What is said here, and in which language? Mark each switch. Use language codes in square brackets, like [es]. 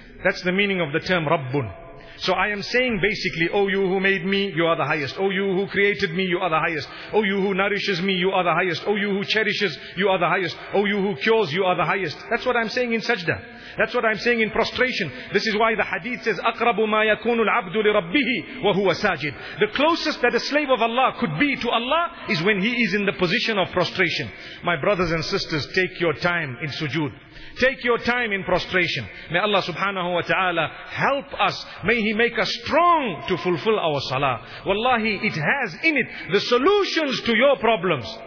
[en] That's the meaning of the term Rabbun. So I am saying basically, O you who made me, you are the highest. O you who created me, you are the highest. O you who nourishes me, you are the highest. O you who cherishes, you are the highest. O you who cures, you are the highest. That's what I'm saying in sajda. That's what I'm saying in prostration. This is why the hadith says, [ar] أَقْرَبُ مَا يَكُونُ الْعَبْدُ لِرَبِّهِ وَهُوَ سَاجِدٍ. [en] The closest that a slave of Allah could be to Allah is when he is in the position of prostration. My brothers and sisters, take your time in sujood. Take your time in prostration. May Allah subhanahu wa ta'ala help us. May He make us strong to fulfill our salah. Wallahi, it has in it the solutions to your problems.